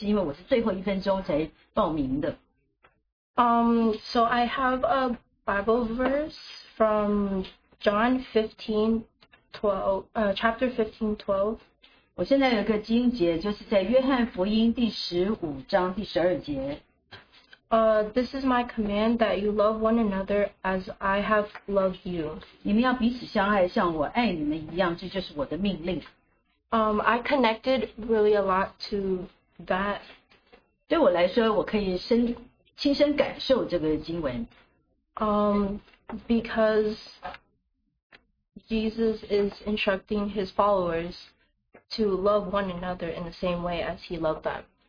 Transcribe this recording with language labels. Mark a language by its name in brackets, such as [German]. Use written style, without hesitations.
[Chinese] 而且呢，我很高兴我能够到得了那边，是因为我是最后一分钟才报名的。 [English] So I have a Bible verse from John 15:12, chapter 15:12. [Chinese] 我现在有个经节，就是在约翰福音第十五章第十二节。 [English] This is my command that you love one another as I have loved you. [Chinese] 你们要彼此相爱，像我爱你们一样，这就是我的命令。 [English] I connected really a lot to that. [Chinese] 对我来说，我可以亲身感受这个经文。 [English] Because Jesus is instructing his followers to love one another in the same way as he loved them.